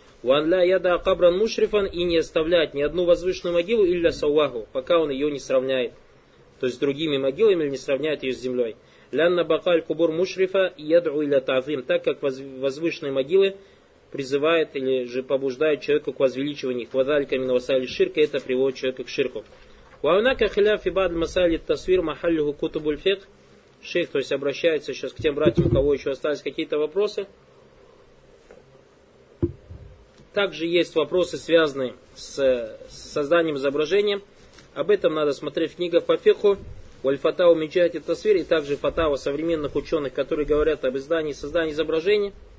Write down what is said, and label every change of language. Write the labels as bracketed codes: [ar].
[ar] وأن لا يدع قبرا مشرفا [ru] и не оставлять ни одну возвышенную могилу [ar] إلا سواه, [ru] пока он ее не сравняет, то есть с другими могилами, не сравняет ее с землей. [ar] لأن بقاء القبور مشرفا يدعو إلى تعظيم, [ru] так как возвышенные могилы призывает или же побуждает человека к возвеличиванию их. [ar] وذلك من وسائل الشرك, [ru] это приводит человека к ширку. [ar] وهناك خلاف في بعض مسائل التصوير محله كتب الفقه. [ru] Шейх, то есть обращается сейчас к тем братьям, у кого еще остались какие-то вопросы. Также есть вопросы, связанные с созданием изображения. Об этом надо смотреть в книгах по фикху. [ar] Уаль-Фатау Миджахид Тасвир, [ru] и также фатава современных ученых, которые говорят об издании и создании изображения.